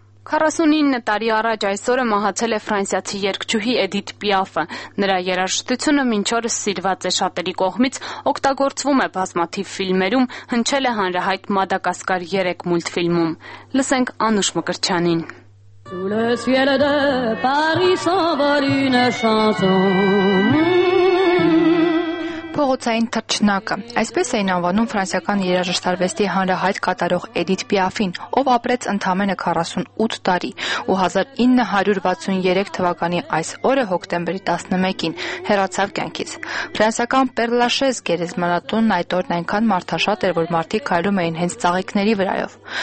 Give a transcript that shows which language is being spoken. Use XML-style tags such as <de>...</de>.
<hy>49 տարի առաջ այսօրը մահացել է ֆրանսիացի երգչուհի Էդիթ Պիաֆը։ Նրա երաժշտությունը մինչ օրս սիրված է շատերի կողմից, օգտագործվում է բազմաթիվ ֆիլմերում, հնչել է հանրահայտ Մադագասկար 3 մուլտֆիլմում։ Լսենք Անուշ Մկրչյանին։</hy> <fr>Sous le ciel de Paris s'envole une chanson.</fr> <hy>Փողոցային թռչնակը, այսպես էին անվանում ֆրանսիական երաժշտարվեստի հանրահայտ կատարող Էդիթ Պիաֆին, ով ապրեց ընդամենը 48 տարի, ու 1963 թվականի այս օրը հոկտեմբերի 11-ին հեռացավ կյանքից։ Ֆրանսական Պերլաշեզ գերեզմանատունն այդ օրն այնքան մարդաշատ էր, որ մարդիկ քայլում էին հենց ծաղիկների վրայով։</hy>